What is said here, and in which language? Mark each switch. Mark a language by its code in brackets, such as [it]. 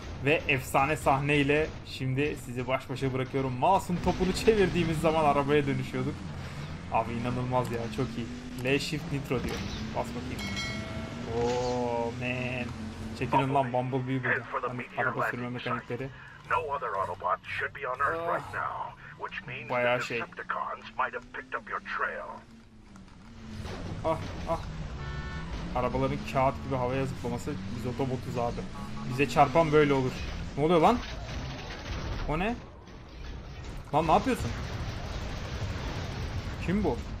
[tr] Ve efsane sahneyle şimdi sizi baş başa bırakıyorum. Mouse'un topunu çevirdiğimiz zaman arabaya dönüşüyorduk. Abi inanılmaz ya, çok iyi. L Shift Nitro diyor. Bas bakayım. Oo man. Çekilin lan, Bumblebee burada. Hani araba sürme mekanikleri. [en] No other Autobot should be on Earth right now, which means the Decepticons might have picked up your trail. [tr] Arabaların kağıt gibi havaya zıplaması, biz Autobot'uz abi. Bize çarpan böyle olur. Ne oluyor lan? O ne? Lan ne yapıyorsun? Kim bu?